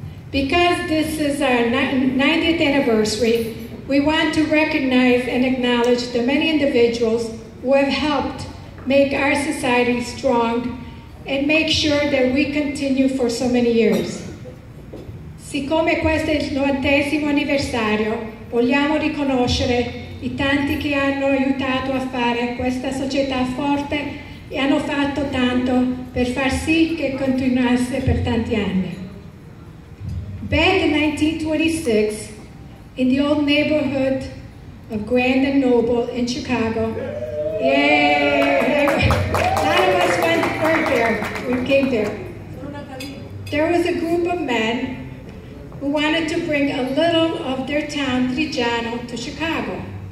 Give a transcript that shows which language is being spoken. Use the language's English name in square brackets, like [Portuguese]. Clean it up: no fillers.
[English] Because this is our 90th anniversary, we want to recognize and acknowledge the many individuals who have helped make our society strong and make sure that we continue for so many years. [Italian] Siccome questo è il 90° anniversario, vogliamo riconoscere i tanti che hanno aiutato a fare questa società forte e hanno fatto tanto per far sì che continuasse per tanti anni. [English] Back in 1926, in the old neighborhood of Grand and Noble in Chicago, yay! A lot of us came there. There was a group of men who wanted to bring a little of their town, Triggiano, to Chicago.